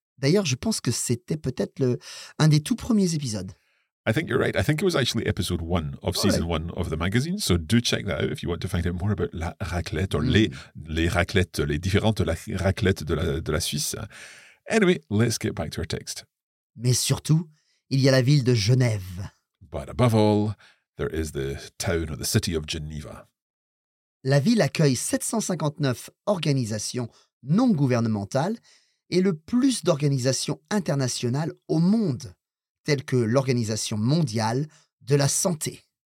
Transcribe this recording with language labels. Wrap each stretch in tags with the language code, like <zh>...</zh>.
<fr>D'ailleurs, je pense que c'était peut-être un des tout premiers épisodes.</fr> <en>I think you're right. I think it was actually episode one of season one of the magazine. So do check that out if you want to find out more about la raclette or les raclettes,</en> <fr>les différentes raclettes de la Suisse.</fr> <en>Anyway, let's get back to our text.</en> <fr>Mais surtout, il y a la ville de Genève.</fr> <en>But above all, there is the town or the city of Geneva.</en> <fr>La ville accueille 759 organisations non gouvernementales et le plus d'organisations internationales au monde, telles que l'Organisation mondiale de la santé.</fr>